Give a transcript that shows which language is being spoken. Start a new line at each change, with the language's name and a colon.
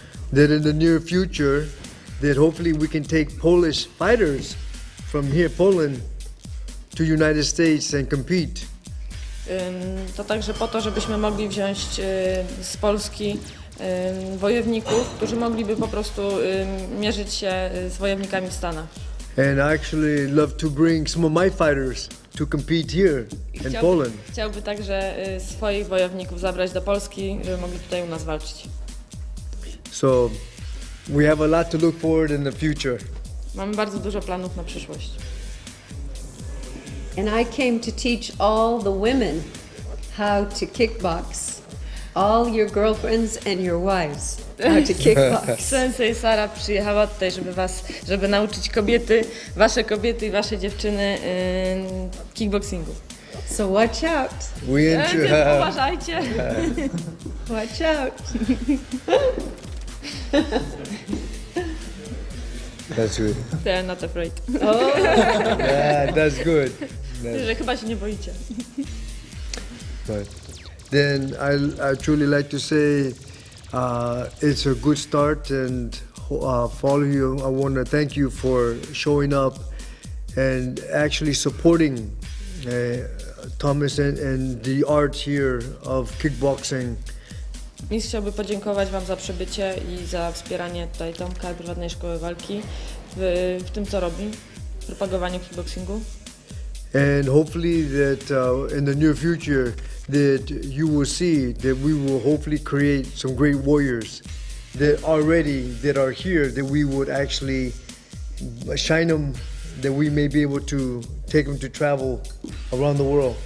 English: That in the near future, that hopefully we can take Polish fighters from here, Poland, to United States and compete.
Polish: To także po to, żebyśmy mogli wziąć z Polski wojowników, którzy mogliby po prostu mierzyć się z wojownikami w Stanach.
English: And I actually love to bring some of my fighters to compete here in Poland.
Polish: Chciałby także swoich wojowników zabrać do Polski, żeby mogli tutaj u nas walczyć.
English: So we have a lot to look forward in the future.
Polish: Mamy bardzo dużo planów na przyszłość.
English: And I came to teach all the women how to kickbox. All your girlfriends and your wives how to kickbox.
Polish: Sensei Sara przyjechała tutaj, żeby nauczyć kobiety, wasze kobiety i wasze dziewczyny kickboxingu.
English: So watch out. We enjoy.
Polish: Uważajcie.
English: Watch out. That's good. They are not afraid. Oh. Yeah, that's good.
Polish: Że chyba się nie boicie.
English: But then I truly like to say it's a good start and follow you. I want to thank you for showing up and actually supporting Thomas and the art here of kickboxing.
Polish: Mistrz chciałby podziękować Wam za przybycie i za wspieranie tutaj Tomka, prywatnej szkoły walki w tym, co robi, propagowaniu kickboxingu.
English: And hopefully that in the near future that you will see that we will hopefully create some great warriors that already that are here that we would actually shine them, that we may be able to take them to travel around the world.